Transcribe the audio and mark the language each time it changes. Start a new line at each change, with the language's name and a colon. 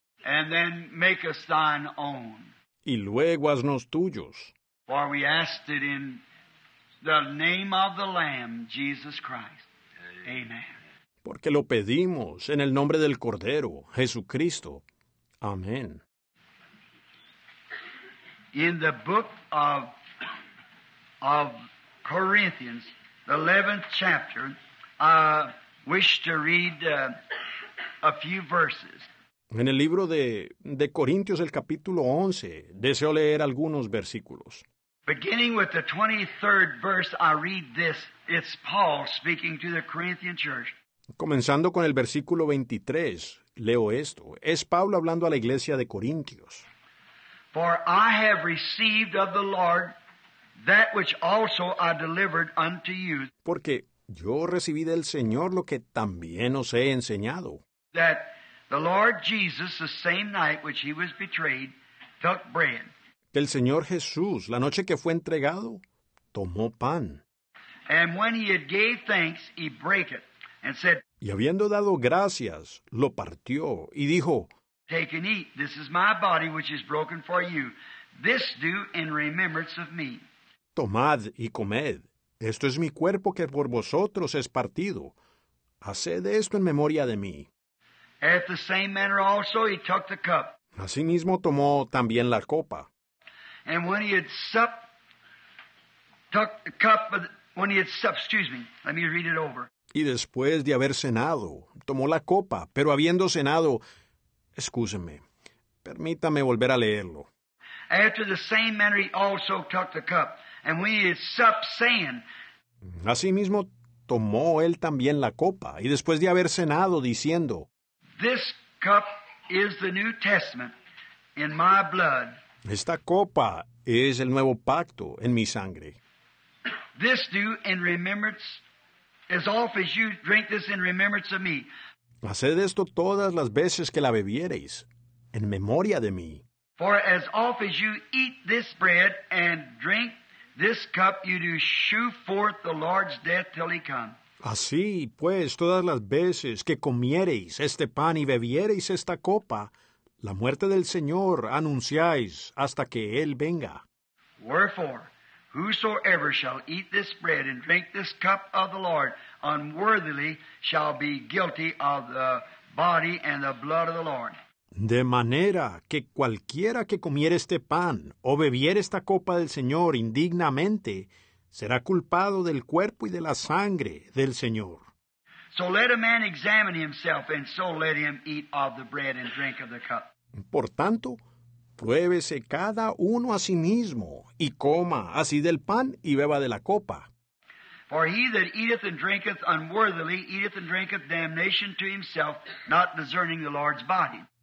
English: And then make us thine own.
Spanish: Y luego haznos tuyos.
English: For we asked it in the name of the Lamb, Jesus Christ. Amen.
Spanish: Porque lo pedimos en el nombre del Cordero, Jesucristo. Amén.
English: In the book of Corinthians, the 11th chapter, wish to read a few verses.
Spanish: En el libro de Corintios, el capítulo 11, deseo leer algunos versículos.
English: Beginning with the 23rd verse, I read this. It's Paul speaking to the Corinthian church.
Spanish: Comenzando con el versículo 23, leo esto. Es Pablo hablando a la iglesia de Corintios.
English: For I have received of the Lord that which also I delivered unto you.
Spanish: Porque yo recibí del Señor lo que también os he enseñado.
English: That the Lord Jesus, the same night which he was betrayed, took bread.
Spanish: Que el Señor Jesús, la noche que fue entregado, tomó pan.
English: And when he had gave thanks, he broke it, and said,
Spanish: y habiendo dado gracias, lo partió, y dijo,
English: take and eat, this is my body which is broken for you. This do in remembrance of me.
Spanish: Tomad y comed. Esto es mi cuerpo que por vosotros es partido. Haced esto en memoria de mí.
English: At the same manner also he took the cup.
Spanish: Asimismo tomó también la copa.
English: And when he had supped, took the cup, when he had supped, excuse me, let me read it over.
Spanish: Y después de haber cenado, tomó la copa, pero habiendo cenado, excúsenme, permítame volver a leerlo.
English: After the same manner he also took the cup. And when he had supped, saying,
Spanish: asimismo tomó él también la copa, y después de haber cenado, diciendo,
English: this cup is the New Testament in my blood.
Spanish: Esta copa es el nuevo pacto en mi sangre.
English: This do in remembrance, as often as you drink this in remembrance of me.
Spanish: Haced esto todas las veces que la bebiereis, en memoria de mí.
English: For as often as you eat this bread and drink this cup, you do shew forth the Lord's death till he come.
Spanish: Así, pues, todas las veces que comiereis este pan y bebiereis esta copa, la muerte del Señor anunciáis hasta que Él venga.
English: Wherefore, Whosoever shall eat this bread and drink this cup of the Lord unworthily shall be guilty of the body and the blood of the Lord.
Spanish: De manera que cualquiera que comiere este pan o bebiere esta copa del Señor indignamente será culpado del cuerpo y de la sangre del Señor.
English: So let a man examine himself, and so let him eat of the bread and drink of the cup.
Spanish: Por tanto, pruébese cada uno a sí mismo, y coma así del pan y beba de la copa.
English: For he that eateth and drinketh unworthily, eateth and drinketh damnation to himself, not discerning the Lord's body.